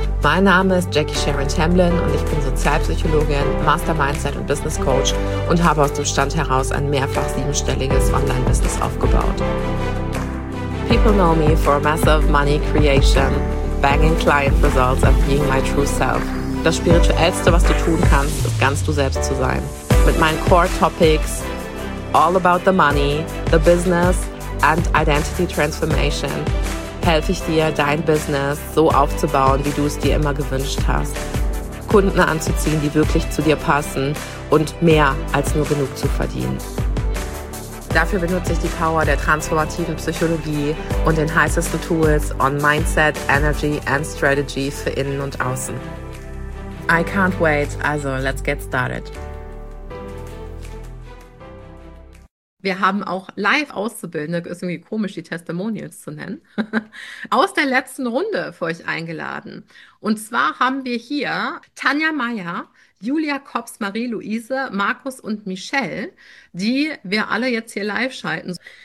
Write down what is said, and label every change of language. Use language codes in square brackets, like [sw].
[de] Mein Name ist Jackie Sharon Tamblyn und ich bin Sozialpsychologin, Master-Mindset- und Business-Coach und habe aus dem Stand heraus ein mehrfach siebenstelliges Online-Business aufgebaut. [en] People know me for massive money creation, banging client results and being my true self. [de] Das Spirituellste, was du tun kannst, ist ganz du selbst zu sein. Mit meinen Core-Topics, [en] all about the money, the business and identity transformation, [de] helfe ich dir, dein Business so aufzubauen, wie du es dir immer gewünscht hast. Kunden anzuziehen, die wirklich zu dir passen und mehr als nur genug zu verdienen. Dafür benutze ich die Power der transformativen Psychologie und den heißesten Tools [en] on Mindset, Energy and Strategy [de] für innen und außen. [en] I can't wait, also let's get started. [de] Wir haben auch Live-Auszubildende, ist irgendwie komisch, die Testimonials zu nennen, aus der letzten Runde für euch eingeladen. Und zwar haben wir hier Tanja Meyer, Julia Kops, Marie-Luise, Markus und Michelle, die wir alle jetzt hier live schalten.